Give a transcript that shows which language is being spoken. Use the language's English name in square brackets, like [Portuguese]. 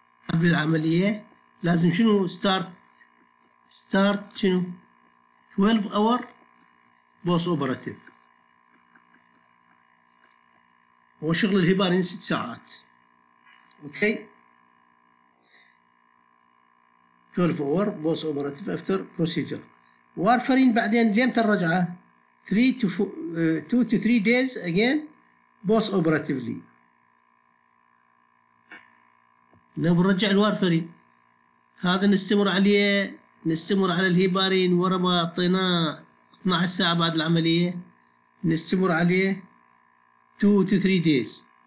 [Arabic] قبل العملية لازم شنو؟ [English] start [Arabic] شنو [English] 12 hour post operative، [Arabic] وشغل الهيبارين 6 ساعات. [English] Okay, 12 hour post operative after procedure. [Arabic] وارفرين بعدين ليمتى الرجعة؟ [English] 2 to 3 days again post operatively. [Arabic] لو نرجع الوارفرين هذا نستمر عليه، نستمر على الهيبارين ورا ما اعطيناه 12 ساعة بعد العملية، نستمر عليه [English] 2 to 3 days.